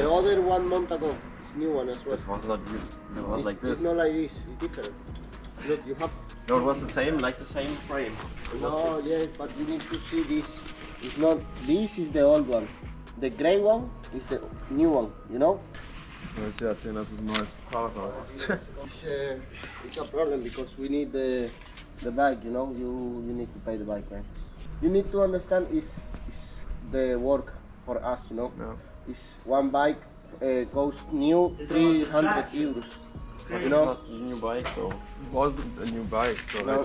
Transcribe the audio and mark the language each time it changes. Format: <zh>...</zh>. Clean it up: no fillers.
<en>The other 1 month ago. It's new one as well. This one's not new. No, it's like this. It's not like this. It's different. Look, you have. No, it was the same, like the same frame. No, yes, but you need to see this. It's not. This is the old one. The gray one is the new one, you know?</en> <de>Ja, ich sehe, das ist ein neues Fahrrad.</de> <en>It's a problem because we need the bike, you know? You need to pay the bike, man. You need to understand it's the work for us, you know? Yeah. It's one bike goes new 300 euros, you know? It's not a new bike, so. It wasn't a new bike, so.</en>